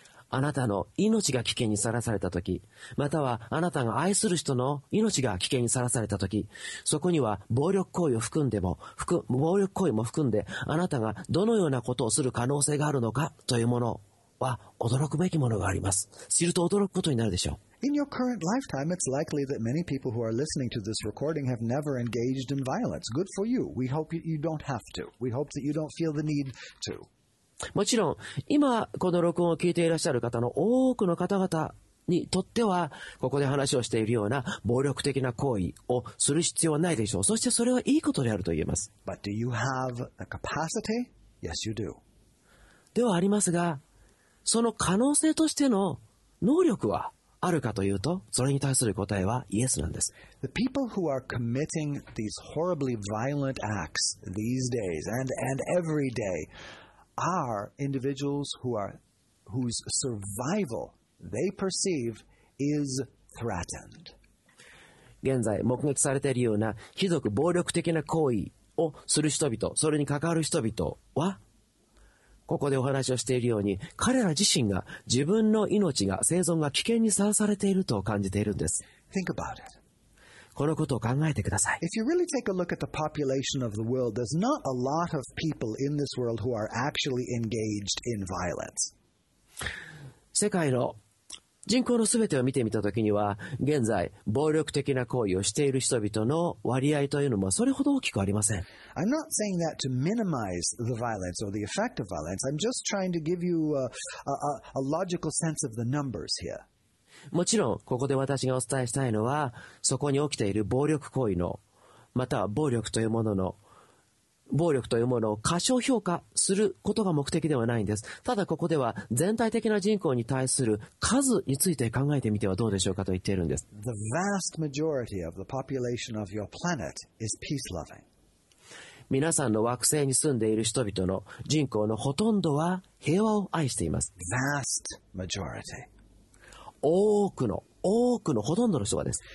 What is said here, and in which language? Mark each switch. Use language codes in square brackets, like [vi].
[ja] あなたの命が危険にさらされたとき、またはあなたが愛する人の命が危険にさらされたとき、そこには暴力行為を含んでも、暴力行為も含んで、あなたがどのようなことをする可能性があるのかというものは、驚くべきものがあります。知ると驚くことになるでしょう。 [en] In your current lifetime, it's likely that many people who are listening to this recording have never engaged in violence. Good for you. We hope you don't have to. We hope that you don't feel the need to. [ja] もちろん、今この録音を聞いていらっしゃる方の多くの方々にとっては、ここで話をしているような暴力的な行為をする必要はないでしょう。そしてそれはいいことであると言えます。 [en] But do you have the capacity? Yes, you do. [ja] ではありますが、その可能性としての能力はあるかというと、それに対する答えはイエスなんです。 [en] The people who are committing these horribly violent acts these days and every day are individuals whose survival they perceive is threatened. [ja] 現在目撃されているようなひどく暴力的な行為をする人々、それに関わる人々は、ここでお話をしているように、彼ら自身が自分の命が、生存が危険にさらされていると感じているんです。 [en] Think about it. [ja] このことを考えてください。 [en] If you really take a look at the population of the world, there's not a lot of people in this world who are actually engaged in violence. [ja] 世界の人口のすべてを見てみたときには、現在、暴力的な行為をしている人々の割合というのもそれほど大きくありません。 [en] I'm not saying that to minimize the violence or the effect of violence. I'm just trying to give you a logical sense of the numbers here. [ja] もちろん、ここで私がお伝えしたいのは、そこに起きている暴力行為の、または暴力というものを過小評価することが目的ではないんです。ただここでは全体的な人口に対する数について考えてみてはどうでしょうかと言っているんです。 [en] The vast majority of the population of your planet is peace-loving. [ja] 皆さんの惑星に住んでいる人々の人口のほとんどは平和を愛しています。 [en] Vast majority. [ja] 多くのほとんどの人がです。